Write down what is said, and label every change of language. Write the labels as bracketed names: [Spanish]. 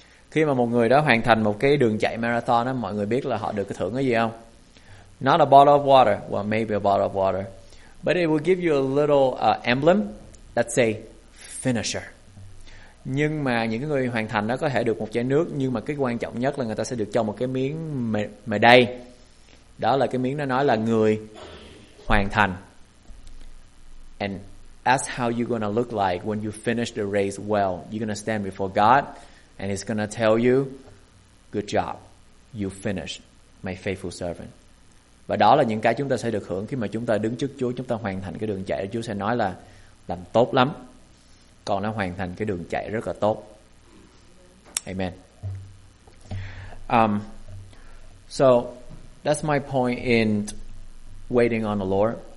[Vietnamese] Khi mà một người đó hoàn thành một cái đường chạy marathon á, mọi người biết là họ được cái thưởng cái gì không? [English] Not a bottle of water. Well, maybe a bottle of water. But it will give you a little emblem that say finisher. [Vietnamese] Nhưng mà những người hoàn thành đó có thể được một chai nước, nhưng mà cái quan trọng nhất là người ta sẽ được cho một cái miếng medal. Đó là cái miếng nó nói là người hoàn thành. [English] And that's how you're going to look like when you finish the race well. You're going to stand before God and he's going to tell you, good job, you finished, my faithful servant. [Vietnamese] Và đó là những cái chúng ta sẽ được hưởng khi mà chúng ta đứng trước Chúa, chúng ta hoàn thành cái đường chạy. Chúa sẽ nói là làm tốt lắm. Con đã hoàn thành cái đường chạy rất là tốt. Amen. [English] So that's my point in waiting on the Lord.